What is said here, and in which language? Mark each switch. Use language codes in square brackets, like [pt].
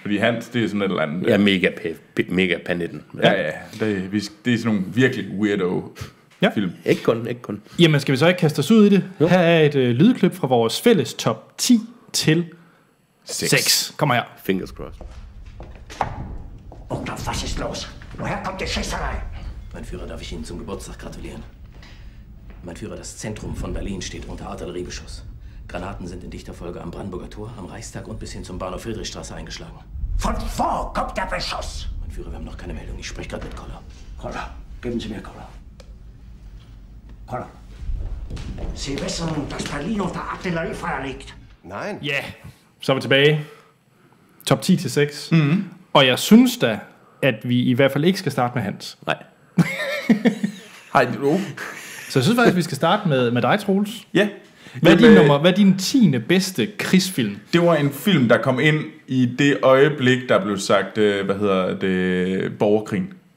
[da] Fordi Hans, det er sådan et eller andet... Ja, mega panitten. Ja, ja. Det er sådan nogle virkelig weirdo... Ja. Film. Ikke kun. Jamen, skal vi så ikke kaste os ud i det? Jo. Her er et lydklip fra vores fælles top 10 til 6. Kommer her. [en] Fingers crossed. [da] Og [de] der was ist los? Woher kommt die Schisserei? Mein Führer, darf ich Ihnen zum Geburtstag gratulieren? Mein Führer, das Zentrum von Berlin steht unter Artilleriebeschuss. Granaten sind in dichter Folge am Brandenburger Tor, am Reichstag und bis hin zum Bahnhof Friedrichstraße eingeschlagen. Von vor kommt der Beschuss? Mein Führer, wir haben noch keine Meldung. Ich spreche gerade mit Koller. Koller, geben Sie mir Koller. Sie wissen, dass Berlin unter Artilleriefeuer liegt. Nein. [da] Ja, yeah. Så er vi tilbage. Top 10 til 6. Mm-hmm. Og jeg synes da, at vi i hvert fald ikke skal starte med Hans. Nej. Hej, du. Så jeg synes faktisk, at vi skal starte med dig, Troels. Ja. Hvad er din 10. bedste krigsfilm? Det var en film, der kom ind i det øjeblik, der blev sagt, hvad hedder det, borgerkrigen.